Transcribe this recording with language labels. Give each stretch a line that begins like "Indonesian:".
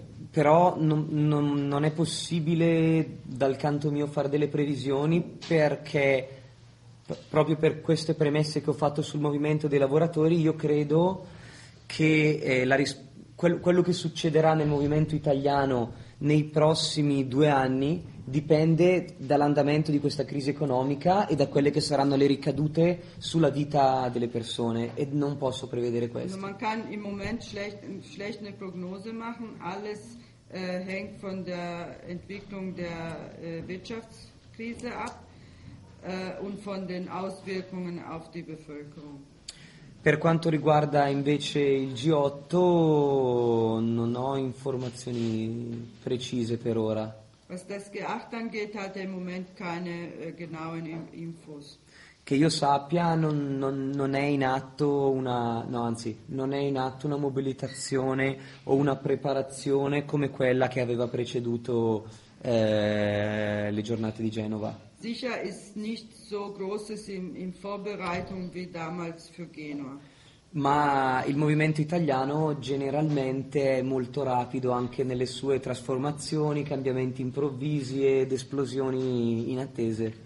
Italian: Però non è possibile dal canto mio fare delle previsioni, perché proprio per queste premesse che ho fatto sul movimento dei lavoratori, io credo che quello che succederà nel movimento italiano nei prossimi 2 anni dipende dall'andamento di questa crisi economica e da quelle che saranno le ricadute sulla vita delle persone, e non posso prevedere questo.
German: Man kann im Moment schlechte Prognose machen, alles hängt von der Entwicklung der Wirtschaftskrise ab und von den Auswirkungen auf die Bevölkerung.
Italian: Per quanto riguarda invece il G8, non ho informazioni precise per ora.
German: Was das G8 angeht, hat er im Moment keine genauen Infos.
Italian: Che io sappia non è in atto una mobilitazione o una preparazione come quella che aveva preceduto le giornate di Genova.
German: Sicher ist nicht so großes in Vorbereitung wie damals für Genua.
Italian: Ma il movimento italiano generalmente è molto rapido anche nelle sue trasformazioni, cambiamenti improvvisi ed esplosioni inattese.